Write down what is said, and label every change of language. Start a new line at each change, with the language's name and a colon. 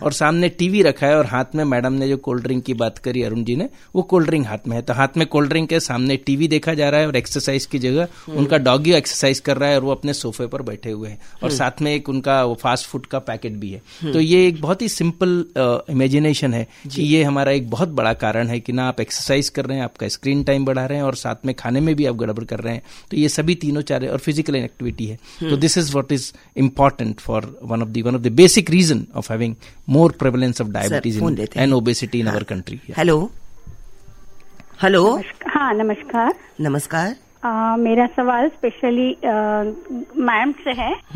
Hindi: और सामने टीवी रखा है और हाथ में मैडम ने जो कोल्ड ड्रिंक की बात करी अरुण जी ने, वो कोल्ड ड्रिंक हाथ में है, तो हाथ में कोल्ड ड्रिंक है, सामने टीवी देखा जा रहा है और एक्सरसाइज की जगह उनका डॉगी एक्सरसाइज कर रहा है और वो अपने सोफे पर बैठे हुए हैं, और साथ में एक उनका फास्ट फूड का पैकेट भी है। तो ये एक बहुत ही सिंपल इमेजिनेशन है कि ये हमारा एक बहुत बड़ा कारण है कि ना आप एक्सरसाइज कर रहे हैं, आपका स्क्रीन टाइम बढ़ा रहे हैं और साथ में खाने में भी आप गड़बड़ कर रहे हैं, तो ये सभी तीनों चार और फिजिकल इनएक्टिविटी है।
English: तो this is what is important for one of the basic reason of having more prevalence of diabetes sir, and obesity in our country. Yeah. Hello. Hello.
Hindi: हाँ नमस्कार. नमस्कार. मेरा सवाल स्पेशली मैम से है.